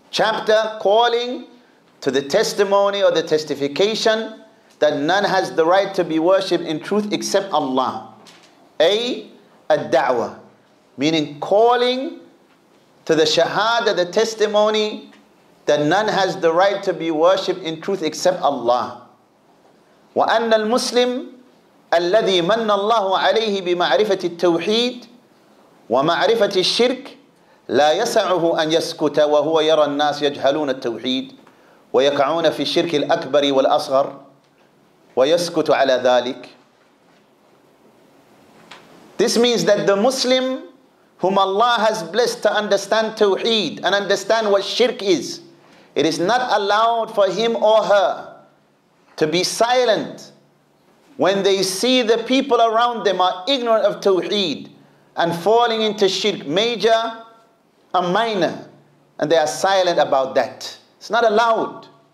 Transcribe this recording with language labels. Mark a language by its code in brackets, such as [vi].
[en] Chapter calling to the testimony or the testification that none has the right to be worshipped in truth except Allah. [ar] A. الدعوة. [en] Meaning calling to the shahada, the testimony that none has the right to be worshipped in truth except Allah. [ar] وأن المسلم الذي من الله عليه بمعرفة التوحيد ومعرفة الشرك لا يسعه أن يسكت وهو يرى الناس يجهلون التوحيد ويقعون في الشرك الأكبر والأصغر ويسكت على ذلك. [en] This means that the Muslim whom Allah has blessed to understand Tawheed and understand what shirk is, it is not allowed for him or her to be silent when they see the people around them are ignorant of Tawheed and falling into shirk, major and minor, and they are silent about that. It's not allowed.